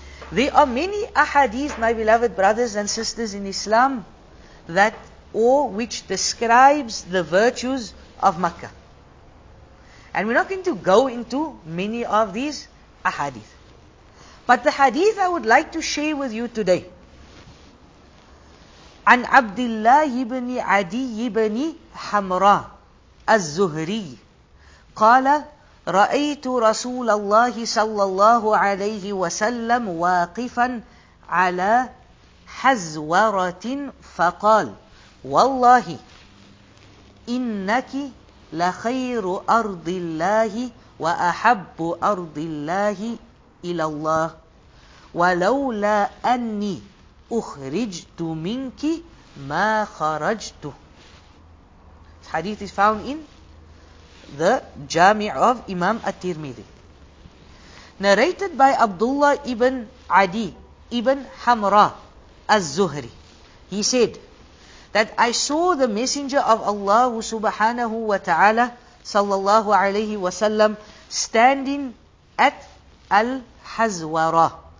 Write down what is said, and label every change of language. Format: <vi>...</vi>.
<en>There are many ahadith, my beloved brothers and sisters in Islam, that or which describes the virtues of Makkah. And we're not going to go into many of these ahadith. But the hadith I would like to share with you today,</en> <ar>عن عبد الله بن عدي بن حمراء الزهري قال رأيت رسول الله صلى الله عليه وسلم واقفا على حزورة فقال والله إنك لخير أرض الله وأحب أرض الله إلى الله ولولا أني أخرجت منك ما خرجت.</ar> <en>This hadith is found in the Jami' of Imam At-Tirmidhi, narrated by Abdullah ibn Adi ibn Hamra al-Zuhri. He said that I saw the Messenger of Allah subhanahu wa ta'ala sallallahu alayhi wa sallam standing at Al-Hazwara.</en>